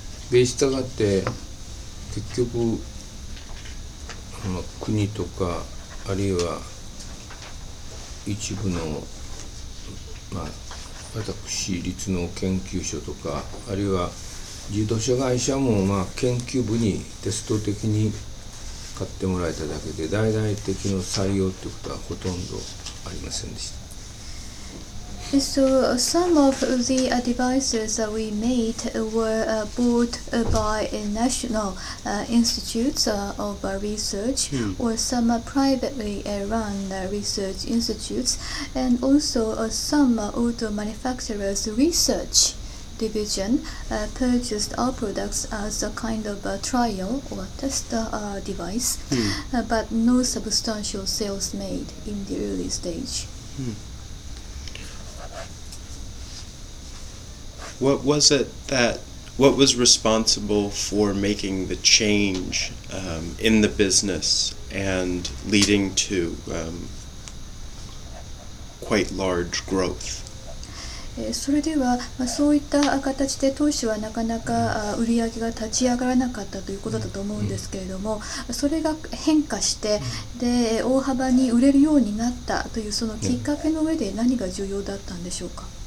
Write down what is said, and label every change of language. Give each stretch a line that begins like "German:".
Japanese: で、したがって結局、まあ、国とかあるいは一部の、まあ、私立の研究所とかあるいは自動車会社もまあ研究部にテスト的に買ってもらえただけで大々的な採用ということはほとんどありませんでした。
English: So some of the devices that we made were bought by national institutes of research, or some privately run research institutes, and also some auto manufacturers' research division purchased our products as a kind of a trial or test device, but no substantial sales made in the early stage. What was it that, what was responsible for making the change in the business and leading to quite large growth?
Japanese: それでは、まあ、そういった形で当初はなかなか売り上げが立ち上がらなかったということだと思うんですけれども、それが変化してで大幅に売れるようになったというそのきっかけの上で何が重要だったんでしょうか。